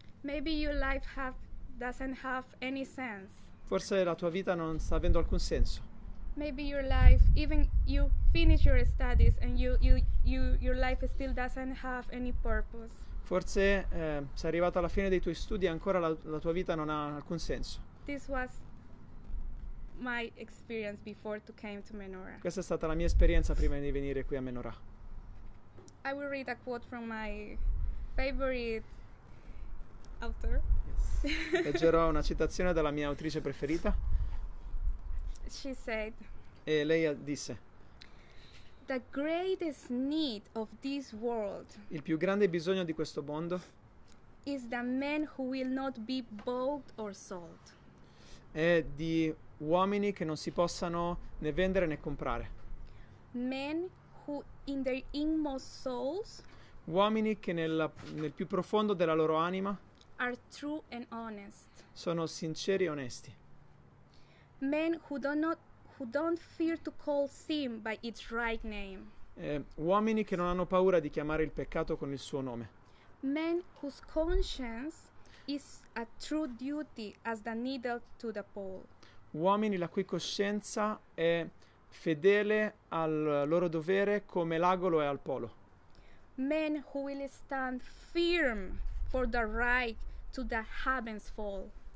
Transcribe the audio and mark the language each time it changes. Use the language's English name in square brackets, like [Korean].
[English] Maybe your life have doesn't have any sense. [Italian] Forse la tua vita non sta avendo alcun senso. [English] Maybe your life, even you finish your studies and your life still doesn't have any purpose. [Italian] Forse sei arrivato alla fine dei tuoi studi e ancora la tua vita non ha alcun senso. [English] This was my experience before to came to Menorah. [Italian] Questa è stata la mia esperienza prima di venire qui a Menorah. [English] I will read a quote from my favorite author. Yes. [Italian] Leggerò una citazione dalla mia autrice preferita. [English] She said. [Italian] E lei disse. [English] The greatest need of this world. [Italian] Il più grande bisogno di questo mondo. [English] Is the man who will not be bought or sold. [Italian] È di uomini che non si possano né vendere né comprare. [English] Men who in their inmost souls. [Italian] Uomini che nel più profondo della loro anima. [English] Are true and honest. [Italian] Sono sinceri e onesti. [English] Men who don't fear to call sin by its right name. [Italian] Uomini che non hanno paura di chiamare il peccato con il suo nome. [English] Men whose conscience is a true duty as the needle to the pole. [Italian] Uomini la cui coscienza è fedele al loro dovere come l'ago lo è al polo. [English] Men who will stand firm for the right to the heavens fall.